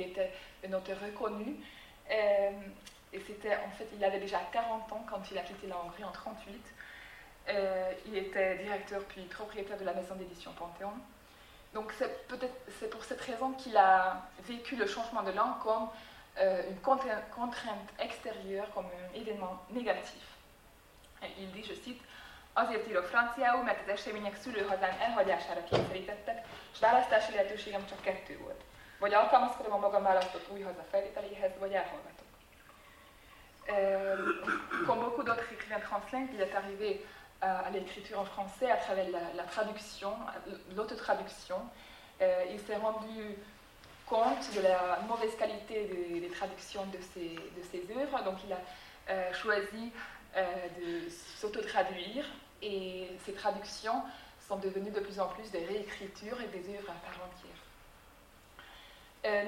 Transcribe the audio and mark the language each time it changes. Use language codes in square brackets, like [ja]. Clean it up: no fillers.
[fr] Il était un auteur reconnu. Et c'était, en fait, il avait déjà 40 ans quand il a quitté la Hongrie en 1938. Il était directeur puis propriétaire de la maison d'édition Panthéon. Donc c'est pour cette raison qu'il a vécu le changement de langue comme une contrainte extérieure, comme un événement négatif. Et il dit, je cite, [hu] azért írok franciául, mert az események szülőhazám elhagyására kényszerítettek, s választási lehetőségem csak kettő volt. Vagy alkalmazkodom a magam választott új haza felvételéhez, vagy elhallgatok. [fr] Comme beaucoup d'autres écrivains translingues, il est arrivé à l'écriture en français à travers la traduction, l'autotraduction. Il s'est rendu compte de la mauvaise qualité des traductions de ses œuvres, donc il a choisi de s'autotraduire, et ses traductions sont devenues de plus en plus des réécritures et des œuvres à part entière.